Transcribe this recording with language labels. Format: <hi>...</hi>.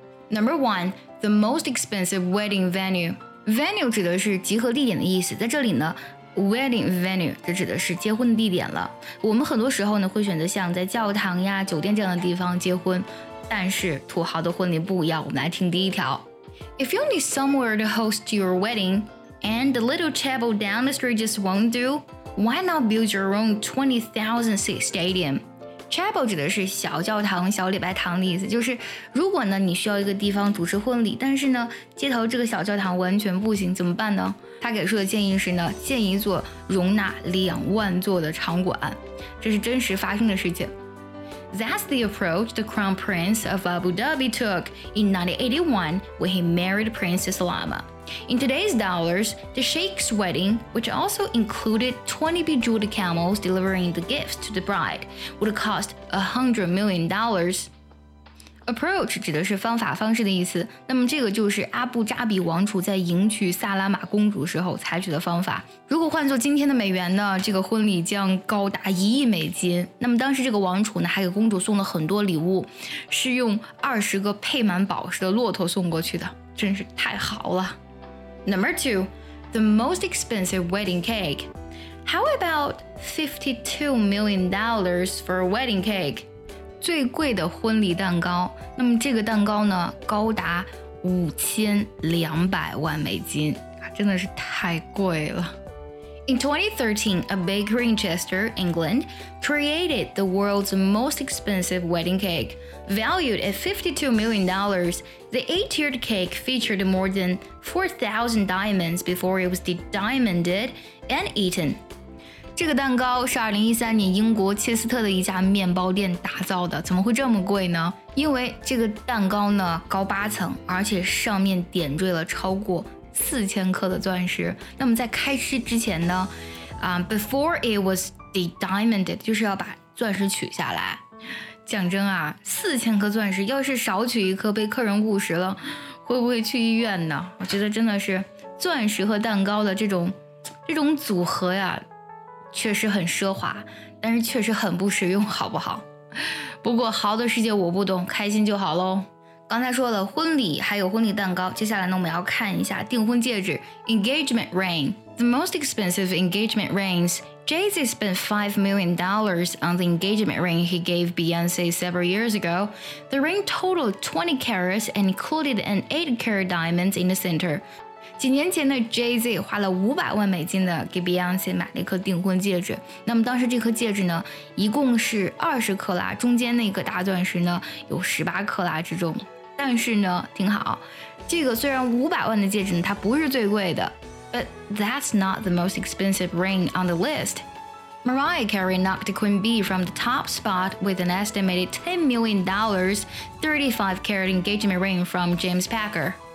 <en>Number one, the most expensive wedding venue.</en> <zh>Venue 指的是集合地点的意思，在这里呢 wedding venue 就指的是结婚的地点了。我们很多时候呢会选择像在教堂呀、酒店这样的地方结婚，但是土豪的婚礼不一样。我们来听第一条。</zh> <en>If you need somewhere to host your wedding and the little chapel down the street just won't do, why not build your own 20,000 seat stadium?</en> <zh>Chapel 指的是小教堂、小礼拜堂的意思，就是如果呢你需要一个地方主持婚礼，但是呢街头这个小教堂完全不行，怎么办呢？他给出的建议是呢，建一座容纳20,000座的场馆，这是真实发生的事情。</zh> <en>That's the approach the Crown Prince of Abu Dhabi took in 1981 when he married Princess Lama. In today's dollars, the Sheikh's wedding, which also included 20 bejeweled camels delivering the gifts to the bride, would cost $100 million.</en> <zh>Approach 指的是方法、方式的意思，那么这个就是阿布扎比王储在迎娶萨拉玛公主时候采取的方法。如果换作今天的美元呢，这个婚礼将高达1亿美金。那么当时这个王储呢还给公主送了很多礼物，是用20个配满宝石的骆驼送过去的，真是太豪了。</zh> <en>Number two, the most expensive wedding cake. How about $52 million for a wedding cake?</en> <zh>最贵的婚礼蛋糕，那么这个蛋糕呢高达5,200,000美金，真的是太贵了。</zh> <en>In 2013, a bakery in Chester, England created the world's most expensive wedding cake. Valued at $52 million, the 8-tiered cake featured more than 4,000 diamonds before it was de-diamonded and eaten.</en> <zh>这个蛋糕是2013年英国切斯特的一家面包店打造的，怎么会这么贵呢？因为这个蛋糕呢高8层，而且上面点缀了超过4000颗的钻石。那么在开吃之前呢，</zh> <en>before it was de-diamonded，</en> <zh>就是要把钻石取下来。讲真啊，4000颗钻石，要是少取一颗被客人误食了，会不会去医院呢？我觉得真的是钻石和蛋糕的这种组合呀。确实很奢华，但是确实很不实用，好不好？不过豪的世界我不懂，开心就好咯。刚才说了婚礼还有婚礼蛋糕，接下来呢我们要看一下订婚戒指。</zh> <en>Engagement ring. The most expensive engagement rings. Jay-Z spent $5 million on the engagement ring he gave Beyonce several years ago. The ring totaled 20 carats and included an 8-carat diamond in the center.</en> <zh>几年前的 Jay-Z 花了500万美金的给 Beyonce 买了一颗订婚戒指，那么当时这颗戒指呢一共是20克拉，中间那个大钻石呢有18克拉之重。但是呢挺好，这个虽然500万的戒指呢它不是最贵的。</zh> <en>But that's not the most expensive ring on the list. Mariah Carey knocked Queen Bee from the top spot with an estimated $10 million 35 carat engagement ring from James Packer</en>